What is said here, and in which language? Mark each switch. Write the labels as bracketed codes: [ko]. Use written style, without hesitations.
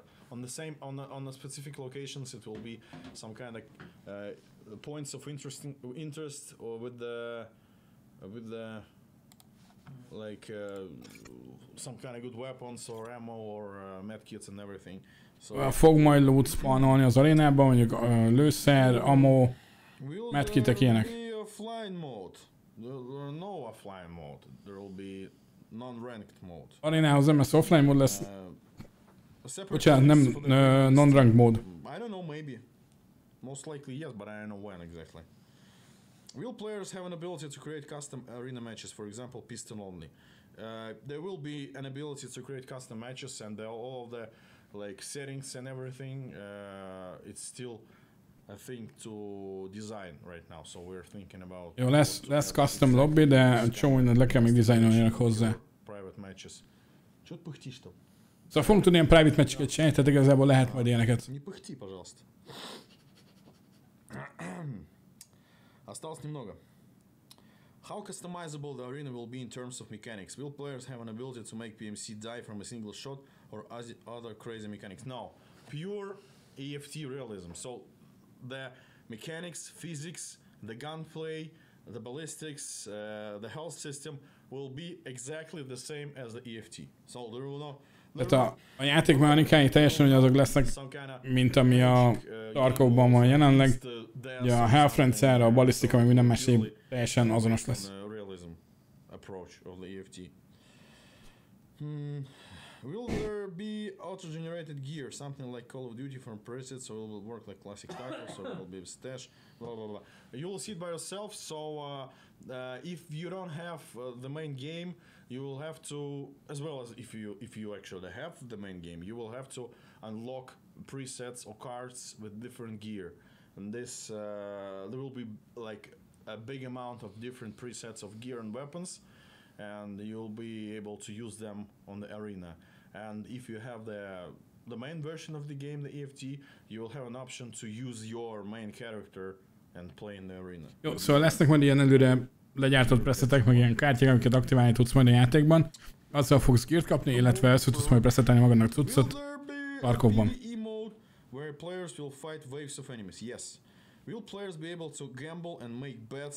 [en] On the specific locations, it will be some kind of points of interest or with the like some kind of good weapons or ammo or medkits and everything. [hu] So fog majd loot spawnolni az arénában, mondjuk lőszer, ammo, medkitek ilyenek. [en] Will there be offline mode? There no offline mode. There will be non-ranked mode. [hu] Arénához nem lesz offline mode, lesz. Bocsánat, nem non-rank mód. [en] I don't know, maybe. Most likely yes, but I don't know when exactly. Will players have an ability to create custom arena matches, for example, piston only? There will be an ability to create custom matches and all of the like settings and everything. It's still a thing to design right now, so we're thinking about. [hu] Jó, lesz custom lobby, de csomó mindent le kell még dizájnolni hozzá. [en] Private matches. [ru] Чё ты пыхтишь там? [hu] Szóval fogunk tudni ilyen private matchiket csinálni, tehát igazából lehet majd ilyeneket. [ru] Не пыхти, пожалуйста. Осталось немного. [en] How customizable the arena will be in terms of mechanics? Will players have an ability to make PMC die from a single shot or other crazy mechanics? No, pure EFT realism. So the mechanics, physics, the gunplay, the ballistics, the health system will be exactly the same as the EFT. So there will not. [hu] A játék már inkább teljesen ugyanazok lesznek, mint ami a Tarkovban van jelenleg. Ja, a health rendszer, a ballisztika, meg minden másik. Teljesen azonos lesz. [en] Realism approach of the EFT. Will there be auto-generated gear, something like Call of Duty from presets, or will it work like classic Tarkov, or will it be stash, blah blah blah. You will see it by yourself, so if you don't have the main game, you will have to, as well as if you actually have the main game, you will have to unlock presets or cards with different gear. And this, there will be like a big amount of different presets of gear and weapons, and you'll be able to use them on the arena. And if you have the main version of the game, the EFT, you will have an option to use your main character and play in the arena. [hu] Jó, szóval lesznek majd ilyen előre legyártott presetek, meg ilyen kártyák, amiket aktiválni tudsz majd a játékban. Azzal fogsz gírt kapni, illetve ezt tudsz majd presetelni magadnak cuccot Tarkovban. [en] Will there be a PvE mode where players will fight waves of enemies? Yes. Will players be able to gamble and make bets?